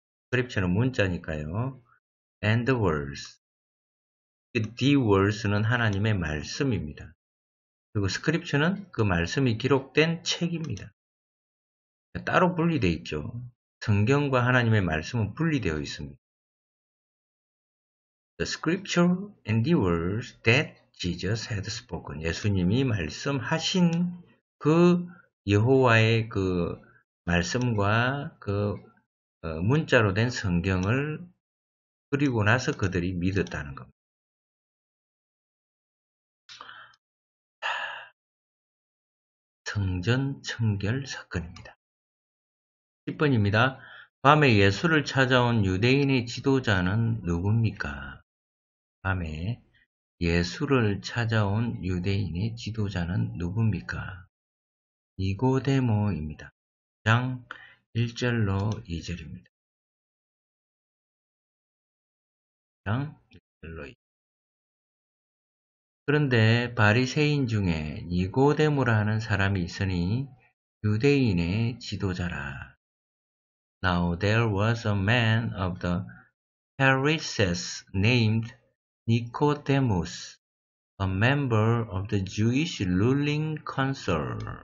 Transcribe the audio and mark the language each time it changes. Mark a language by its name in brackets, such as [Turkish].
[English] scripture는 [Korean] 문자니까요. [English] And the words. The words [Korean] 는 하나님의 말씀입니다. 그리고 scripture는 그 말씀이 기록된 책입니다. 따로 분리되어 있죠. 성경과 하나님의 말씀은 분리되어 있습니다. [English] The scripture and the words that Jesus had spoken. [Korean] 예수님이 말씀하신 그 여호와의 그 말씀과 그 문자로 된 성경을 그리고 나서 그들이 믿었다는 겁니다. 성전 청결 사건입니다. 10번입니다. 밤에 예수를 찾아온 유대인의 지도자는 누굽니까? 밤에 예수를 찾아온 유대인의 지도자는 누굽니까? 니고데모입니다. 장 1절로 2절입니다. 장 1절로 2절. 그런데 바리새인 중에 니고데모라는 사람이 있으니 유대인의 지도자라. [English] Now there was a man of the Pharisees named Nicodemus, a member of the Jewish ruling council.